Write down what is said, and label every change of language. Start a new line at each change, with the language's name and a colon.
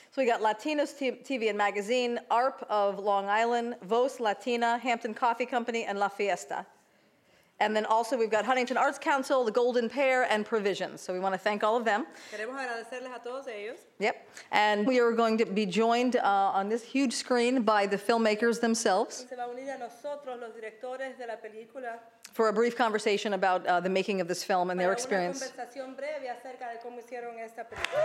English: So we got Latinos TV and Magazine, ARP of Long Island, Voz Latina, Hampton Coffee Company, and La Fiesta. And then also we've got Huntington Arts Council, the Golden Pear, and Provisions. So we want to thank all of them.
Spanish: Queremos agradecerles a todos ellos.
English: Yep. And we are going to be joined on this huge screen by the filmmakers themselves.
Spanish: Se va a unir a nosotros, los directores de la película.
English: For a brief conversation about the making of this film and
Spanish: para
English: their experience.
Spanish: Una conversación breve acerca de cómo hicieron esta película.